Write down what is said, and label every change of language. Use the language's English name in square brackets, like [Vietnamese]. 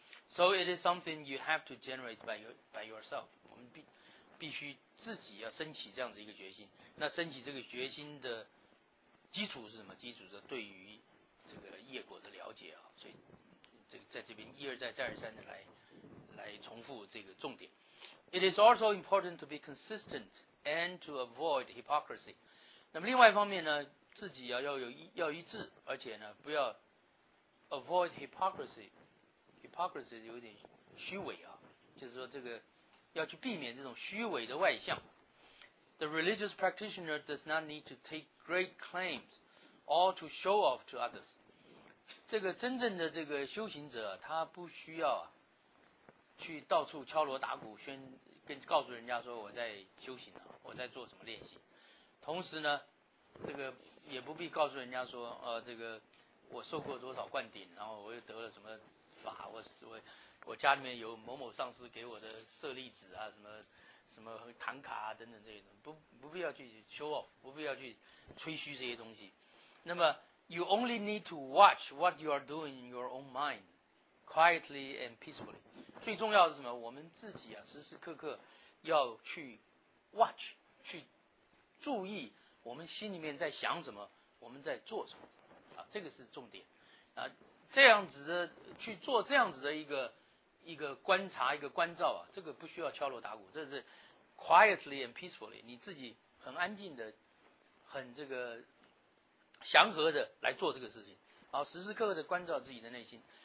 [English] So it is something you have to generate by yourself. [Chinese] 我们必须自己要升起这样的一个决心。那升起这个决心的基础是什么？基础是对于这个业果的了解啊。所以这个在这边一而再、再而三的来重复这个重点。 [English] It is also important to be consistent and to avoid hypocrisy. [Chinese] 那么另外一方面呢，自己要一致，而且呢不要 [English] avoid hypocrisy。 [Chinese] Hypocrisy 有点虚伪啊，就是说这个要去避免这种虚伪的外向。 [English] The religious practitioner does not need to take great claims or to show off to others. [Chinese] 这个真正的这个修行者，他不需要去到处敲锣打鼓告诉人家说我在修行啊，我在做什么练习。同时呢，这个也不必告诉人家说这个我受过多少灌顶，然后我又得了什么法，我家里面有某某上师给我的舍利子啊，什么什么唐卡啊等等这种，不必要去 [English] show off， [Chinese] 不必要去吹嘘这些东西。那么 [English] you only need to watch what you are doing in your own mind quietly and peacefully。 [Chinese] 最重要的是什么？我们自己啊，时时刻刻要去 watch， 去注意我们心里面在想什么，我们在做什么啊，这个是重点啊。这样子的去做这样子的一个观察，一个关照啊，这个不需要敲锣打鼓，这是 [English] quietly and peacefully， [Chinese] 你自己很安静的、很这个祥和的来做这个事情，好，时时刻刻的关照自己的内心。